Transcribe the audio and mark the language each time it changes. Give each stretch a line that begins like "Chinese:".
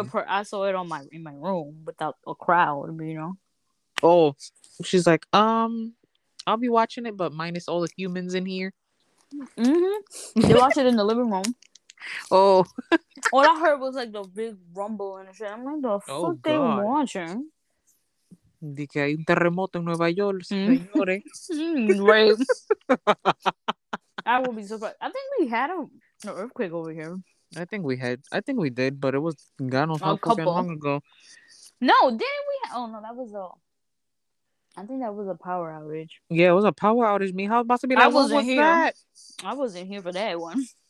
English: I saw it in my room without a crowd, you know? Oh, she's like, I'll be watching it, but minus all the humans in here. Mm-hmm. They watch it in the living room. Oh. All I heard was like the big rumble and shit. I'm like, the fuck they watching?
Spanish: De que hay un terremoto en Nueva York, señores.
English: Right. I will be surprised. I think we had an earthquake over here. I think we did, but it was gone a couple long ago. No, didn't we? I think that was a power outage. Yeah, it was a power outage. Me, how about to be like, I wasn't here for that one.